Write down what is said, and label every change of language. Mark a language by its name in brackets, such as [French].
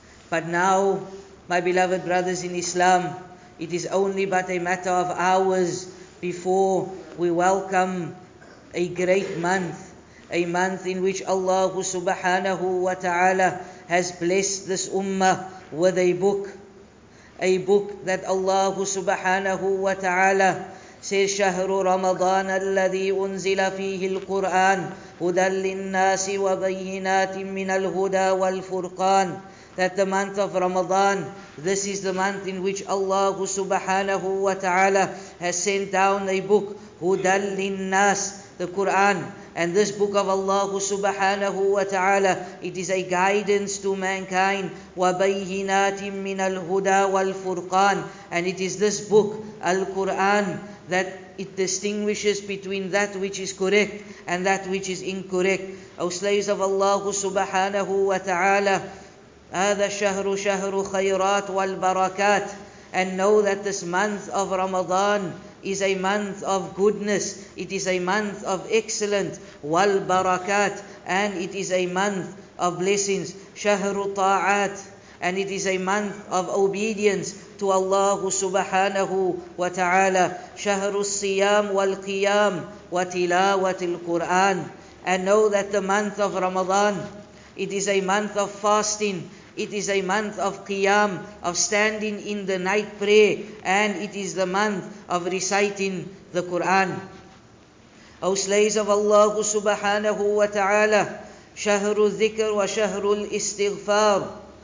[English] But now, my beloved brothers in Islam, it is only but a matter of hours before we welcome a great month, a month in which Allah subhanahu wa ta'ala has blessed this ummah with a book. A book that Allah subhanahu wa ta'ala says, [Arabic] شهر رمضان الذي أنزل فيه القرآن هدى للناس وبينات من الهدى والفرقان. [English] That the month of Ramadan, this is the month in which Allah subhanahu wa ta'ala has sent down a book, [Arabic] هدى للناس, [English] the Quran. And this book of Allah subhanahu wa ta'ala, it is a guidance to mankind. [Arabic] وَبَيْهِنَاتٍ مِّنَ الْهُدَى وَالْفُرْقَانِ [English] And it is this book, Al-Quran, that it distinguishes between that which is correct and that which is incorrect. O slaves of Allah subhanahu wa ta'ala, [Arabic] هذا الشهر شهر خيرات والبركات [English] And know that this month of Ramadan is a month of goodness. It is a month of excellent. [Arabic] Wal barakat. [English] And it is a month of blessings. [Arabic] شهر طاعات. [English] And it is a month of obedience to Allah subhanahu wa ta'ala. [Arabic] شهر الصيام والقيام وتلاوة القرآن. [English] And know that the month of Ramadan, it is a month of fasting. It is a month of qiyam, of standing in the night prayer, and it is the month of reciting the Quran. O slaves of Allah subhanahu wa ta'ala, [Arabic] shahru dhikr wa shahru al-istighfar.